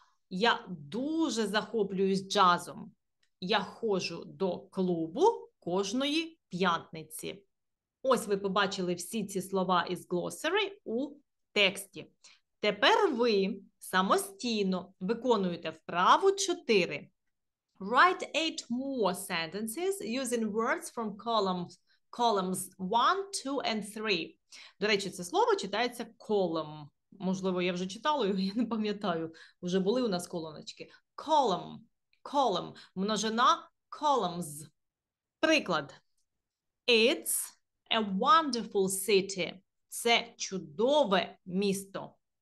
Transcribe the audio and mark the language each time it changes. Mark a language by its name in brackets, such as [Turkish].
[Ukrainian] Я дуже захоплююсь джазом. Я ходжу до клубу кожної п'ятниці. Ось ви побачили всі ці слова із glossary у тексті. Тепер ви самостійно виконуєте вправу 4. [English] Write 8 more sentences using words from columns 1, 2, and 3. [Ukrainian] До речі, це слово читається column. Можливо, я вже читала його, я не пам'ятаю. Вже були у нас колоночки. Column. Множина columns. Приклад. [English] It's a wonderful city. [Ukrainian] Це чудове місто.